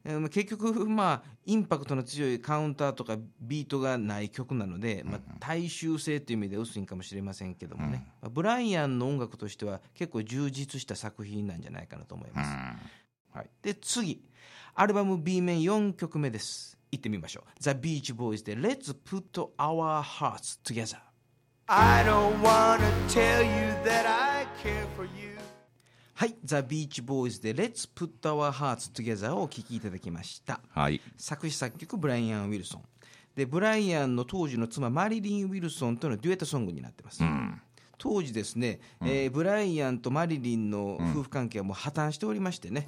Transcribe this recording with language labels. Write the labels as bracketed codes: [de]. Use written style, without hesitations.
[ja] 結局まあインパクトの強いカウンターとかビートがない曲なので、まあ大衆性という意味で薄いかもしれませんけどもね、ブライアンの音楽としては結構充実した作品なんじゃないかなと思います。で次アルバム B 面4曲目です、いってみましょう、 The Beach Boys で Let's Put Our Hearts Together。 [en] I don't wanna tell you that I care for you。 [ja] はい、ザ・ビーチ・ボーイズで Let's Put Our Hearts Together をお聴きいただきました、はい、作詞作曲ブライアン・ウィルソンで、ブライアンの当時の妻マリリン・ウィルソンとのデュエットソングになってます、うん、当時ですね、ブライアンとマリリンの夫婦関係はもう破綻しておりましてね、